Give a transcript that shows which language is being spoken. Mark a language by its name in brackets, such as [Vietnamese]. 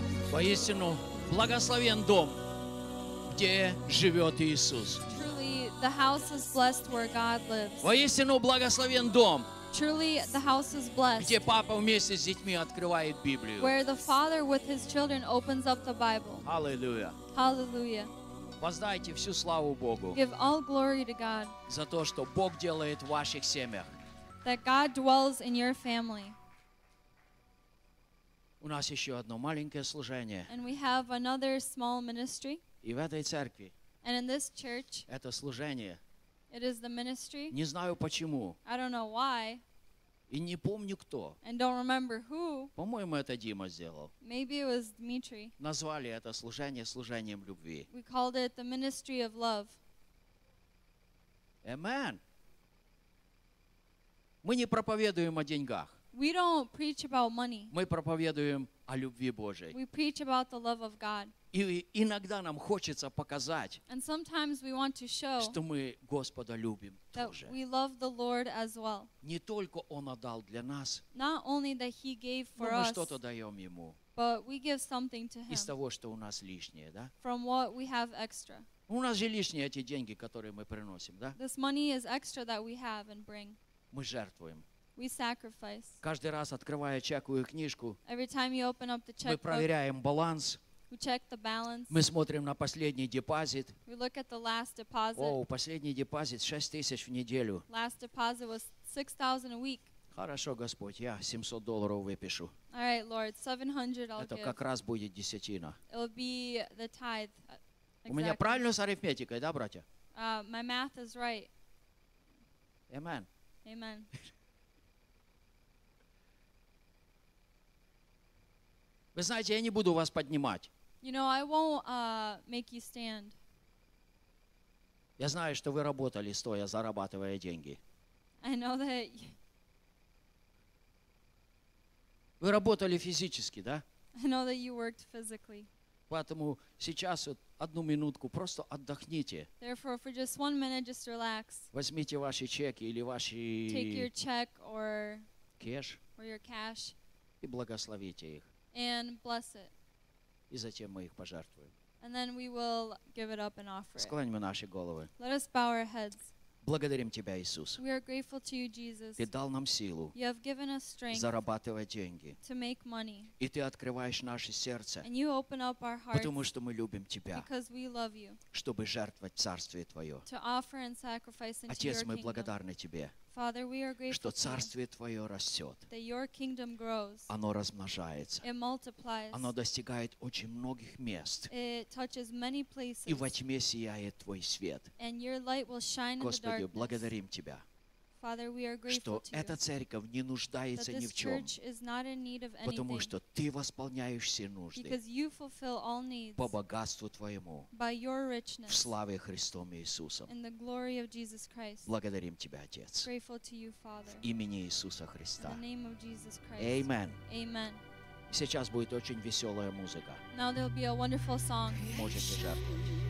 [Russian] Поистину, благословен дом, где живет Иисус. [English] Truly, the house is blessed where God lives. [Russian] Поистину, благословен дом, [English] truly, the house is blessed, [Russian] где папа вместе с детьми открывает Библию. [English] Where the father with his children opens up the Bible. Hallelujah. Hallelujah. [Russian] Воздайте всю славу Богу. [English] Give all glory to God. [Russian] За то, что Бог делает в ваших семьях. [English] That God dwells in your family. [Russian] У нас еще одно маленькое служение. [English] And we have another small ministry. [Russian] И в этой церкви. [English] And in this church. [Russian] Это служение. [English] It is the ministry. [Russian] Не знаю почему. [English] I don't know why. [Russian] И не помню кто. [English] And don't remember who. [Russian] По-моему, это Дима сделал. [English] Maybe it was Dmitry. [Russian] Назвали это служение служением любви. [English] We called it the ministry of love. Amen. [Russian] Мы не проповедуем о деньгах. [English] We don't preach about money. [Russian] Мы проповедуем о любви Божьей. [English] We preach about the love of God. [Russian] И иногда нам хочется показать, [English] and sometimes we want to show, [Russian] что мы Господа любим [English] that [Russian] тоже. [English] We love the Lord as well. [Russian] Не только Он отдал для нас, [English] not only that He gave for [Russian] но мы [English] us, [Russian] что-то даем Ему, [English] but we give something to Him [Russian] из того, что у нас лишнее, да? [English] From what we have extra. [Russian] У нас же лишние эти деньги, которые мы приносим, да? [English] This money is extra that we have and bring. [Russian] Мы жертвуем. [English] We sacrifice. [Russian] Каждый раз, открывая чековую книжку, [English] Every time you open up the checkbook, [Russian] мы проверяем баланс. [English] We check the balance. [Russian] Мы смотрим на последний депозит. [English] We look at the last deposit. [Russian] О, последний депозит 6000 в неделю. [English] Last deposit was 6000 a week. [Russian] Хорошо, Господь, я $700 выпишу. [English] All right, Lord, 700 I'll [Russian] Это [English] give. [Russian] Как раз будет десятина. [English] It'll be the tithe. [Russian] У меня правильно с арифметикой, да, братья? [English] My math is right. Amen. Amen. [Russian] Вы знаете, я не буду вас поднимать. [English] You know, I won't make you stand. [Russian] Я знаю, что вы работали стоя, зарабатывая деньги. [English] I know that you... [Russian] Вы работали физически, да? [English] I know that you worked physically. [Russian] Поэтому сейчас вот одну минутку просто отдохните. [English] Therefore, for just one minute, just relax. [Russian] Возьмите ваши чеки или ваши... [English] Take your check or... Cash. Or your cash. [Russian] И благословите их. [English] And bless it. [Russian] И затем мы их пожертвуем. [English] And then we will give it up and offer it. [Russian] Склоним наши головы. [English] Let us bow our heads. [Russian] Благодарим Тебя, Иисус. [English] We are grateful to you, Jesus. [Russian] Ты дал нам силу. [English] You have given us strength. [Russian] Зарабатывать деньги. [English] To make money. [Russian] И Ты открываешь наше сердце. [English] And you open up our hearts. [Russian] Потому что мы любим Тебя. [English] Because we love you. [Russian] Чтобы жертвовать Царствие Твое. [English] To offer and sacrifice into your kingdom. [Russian] Отец, мы благодарны Тебе. [English] Father, we are grateful [Russian] что Царствие Твое растет. [English] That your kingdom grows. [Russian] Оно размножается. [English] It multiplies. [Russian] Оно достигает очень многих мест. [English] It touches many places. [Russian] И во тьме сияет Твой свет. [English] And your light will shine [Russian] Господи, [English] in the darkness. [Russian] Благодарим Тебя, [English] Father, we are grateful to [Russian] эта церковь не нуждается ни в чем. [English] That this church is not in need of anything. [Russian] Потому что Ты восполняешь все нужды. [English] Because you fulfill all needs. [Russian] По богатству Твоему. [English] By your richness. [Russian] В славе Христом Иисусом. [English] In the glory of Jesus Christ. [Russian] Благодарим Тебя, Отец. [English] Grateful to you, Father. [Russian] В имени Иисуса Христа. [English] In the name of Jesus Christ. Amen. Amen. [Russian] Сейчас будет очень веселая музыка. [English] Now there'll be a wonderful song. [Russian] Можете жертвовать.